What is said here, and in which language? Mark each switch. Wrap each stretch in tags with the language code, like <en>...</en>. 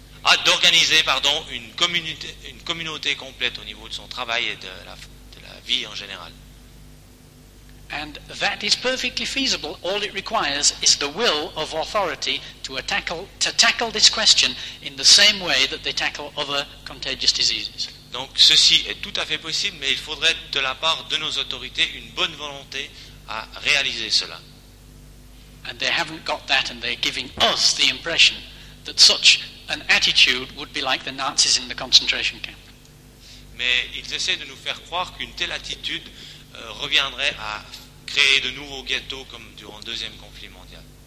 <fr>a d'organiser, pardon, une communauté complète au niveau de son travail et de la vie en général.</fr> <en>And that is perfectly feasible. All it requires is the will of authority to tackle this question in the same way that they tackle other contagious diseases.</en> <fr>Donc ceci est tout à fait possible, mais il faudrait de la part de nos autorités une bonne volonté à réaliser cela.</fr> <en>And they haven't got that, and they're giving us the impression that such an attitude would be like the Nazis in the concentration camp.</en> <fr>Mais ils essaient de nous faire croire qu'une telle attitude reviendrait à créer de nouveaux ghettos comme durant le deuxième conflit mondial.</fr>